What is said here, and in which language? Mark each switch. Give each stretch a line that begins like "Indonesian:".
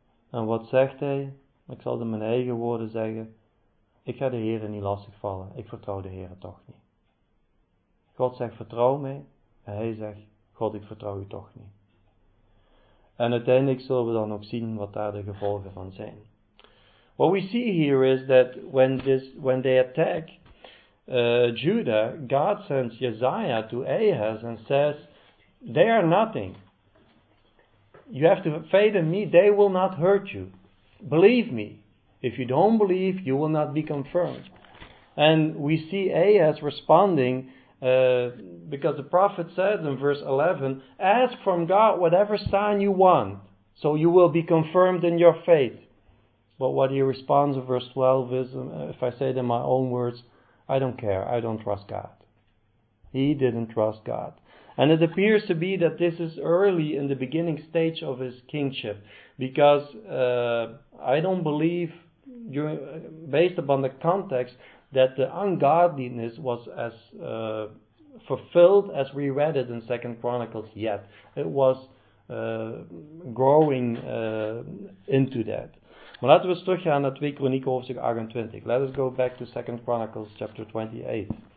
Dutch: En wat zegt hij? Ik zal het in mijn eigen woorden zeggen. Ik ga de Heere niet lastigvallen. Ik vertrouw de Heere toch niet. God zegt, vertrouw mij. En hij zegt, God, ik vertrouw u toch niet. En uiteindelijk zullen we dan ook zien wat daar de gevolgen van zijn.
English: What we see here is that when they attack Judah, God sends Isaiah to Ahaz and says, they are nothing. You have to faith in me, they will not hurt you. Believe me. If you don't believe, you will not be confirmed. And we see Ahaz responding because the prophet says in verse 11, ask from God whatever sign you want, so you will be confirmed in your faith. But what he responds in verse 12 is, if I say it in my own words, I don't care. I don't trust God. He didn't trust God. And it appears to be that this is early in the beginning stage of his kingship. Because I don't believe, based upon the context, that the ungodliness was as fulfilled as we read it in 2 Chronicles yet. It was growing into that.
Dutch: Maar laten we eens teruggaan naar 2 Kronieken hoofdstuk 28.
English: Let us go back to 2 Chronicles chapter 28.